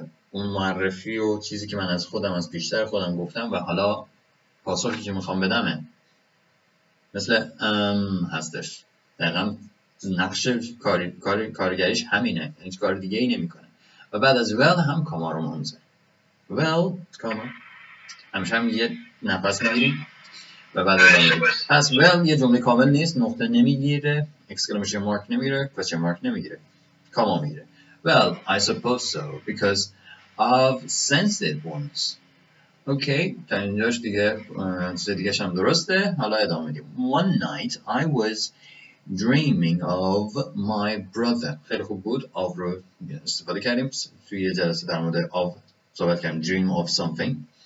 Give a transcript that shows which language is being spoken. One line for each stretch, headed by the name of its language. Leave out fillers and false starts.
Persian: اون معرفی و چیزی که من از خودم از بیشتر خودم گفتم و حالا پاسخی که میخوام بدمه، مثل هستش دقیقا نقش کارگریش همینه، هیچ کار دیگه ای نمی کنه. و بعد از well هم کاما رو مونزه، well کاما همیشه هم یه نفس میگیریم و بعد از این پس well یه جمله کامل نیست، نقطه نمیگیره، exclamation mark نمیگیره، question mark نمیگیره، کاما میگیره.
English: Well, I suppose so, because I've sensed it once.
Persian: Okay, تا اینجاش دیگه چیز دیگه‌ش هم درسته، حالا ادامه میدیم.
English: One night I was dreaming of my brother.
Persian: خیلی خوب بود، of رو استفاده کردیم، توی یه جلسه در مورد of صحبت کردیم،
English: dream of something.